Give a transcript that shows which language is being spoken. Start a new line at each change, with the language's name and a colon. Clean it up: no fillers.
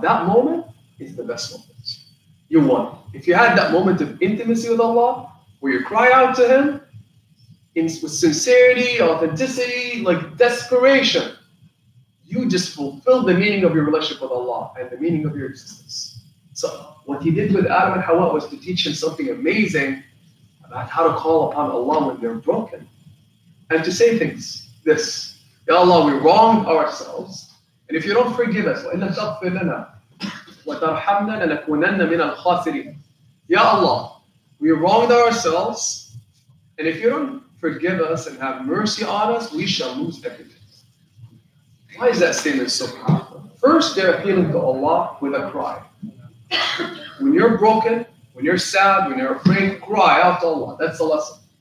English: That moment is the best moment. You won. If you had that moment of intimacy with Allah, where you cry out to Him with sincerity, authenticity, like desperation, you just fulfill the meaning of your relationship with Allah and the meaning of your existence. So what He did with Adam and Hawa was to teach him something amazing about how to call upon Allah when they're broken. And to say things, this, Ya Allah, we wrong ourselves. And if you don't forgive us,
Arabic: وَإِنَّا تَغْفِرْ لَنَا وَتَرْحَمْنَا لَنَكُونَنَّ مِنَ الْخَاسِرِينَ.
English: Ya Allah, we wronged ourselves. And if you don't forgive us and have mercy on us, we shall lose everything. Why is that statement so powerful? First, they're appealing to Allah with a cry. When you're broken, when you're sad, when you're afraid, cry out to Allah. That's the lesson.